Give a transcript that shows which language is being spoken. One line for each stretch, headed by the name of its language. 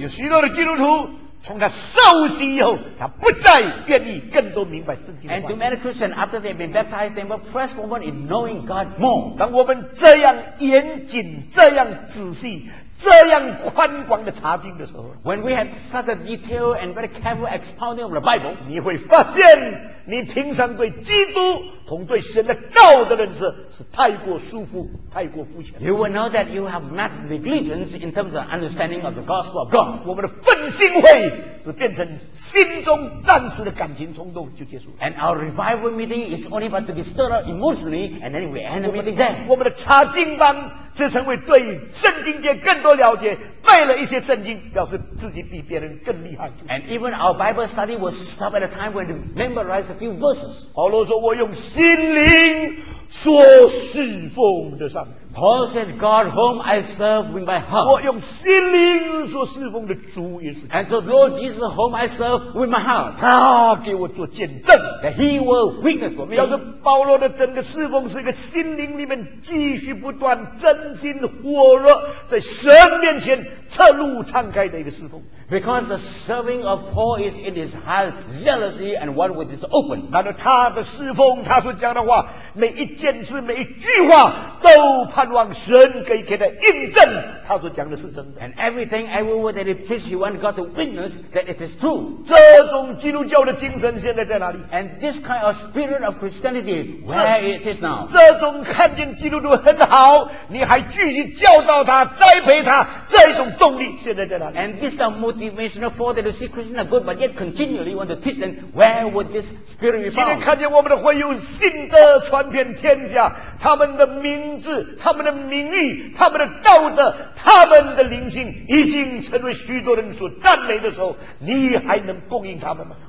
Chinese: 有许多的基督徒从他受洗以后，他不再愿意更多明白圣经。
English: And too many Christians after they've been baptized, they will press forward in knowing God more.
Chinese: 当我们这样严谨、这样仔细、这样宽广的查经的时候
English: ，When we have such a detailed and very careful expounding of the Bible，
Chinese: 你会发现，你平常对基督同对神的道的认识是太过舒服、太过肤浅。
English: You will know that you have much negligence in terms of understanding of the gospel of God。
Chinese: 我们的愤心会只变成心中暂时的感情冲动就结束。
English: And our revival meeting is only about to be stirred up emotionally, and then we end the meeting then。
Chinese: 我们的查经班只成为对圣经界更多了解，背了一些圣经，表示自己比别人更厉害。
English: And even our Bible study was stopped at a time when we memorized a few verses。
Chinese: 保罗说：“我用心灵所侍奉的上帝。”
English: Paul said, "God, whom I serve with my heart."
Chinese: 我用心灵所侍奉的主耶稣。
English: And so, Lord Jesus, whom I serve with my heart.
Chinese: 他给我做见证。
English: That He will witness for me.
Chinese: 要是保罗的整个侍奉是一个心灵里面继续不断真心火热，在神面前侧路敞开的一个侍奉。
English: Because the serving of Paul is in his heart, zealously and one which is open.
Chinese: 然后他的侍奉，他所讲的话，每一件事，每一句话都盼望神可以给他印证他所讲的是真的。
English: And everything, every word that he preached, he wanted God to witness that it is true.
Chinese: 这种基督教的精神现在在哪里？
English: And this kind of spirit of Christianity, where it is now?
Chinese: 这种看见基督徒很好，你还继续教导他、栽培他，这种动力现在在哪里？
English: And this the motivational for that to see Christians are good, but yet continually want to teach them, where would this spirit be found?
Chinese: 今天看见我们的会有信德传遍天下，他们的名字、他们的名誉、他们的道德、他们的灵性已经成为许多人所赞美的时候，你还能供应他们吗？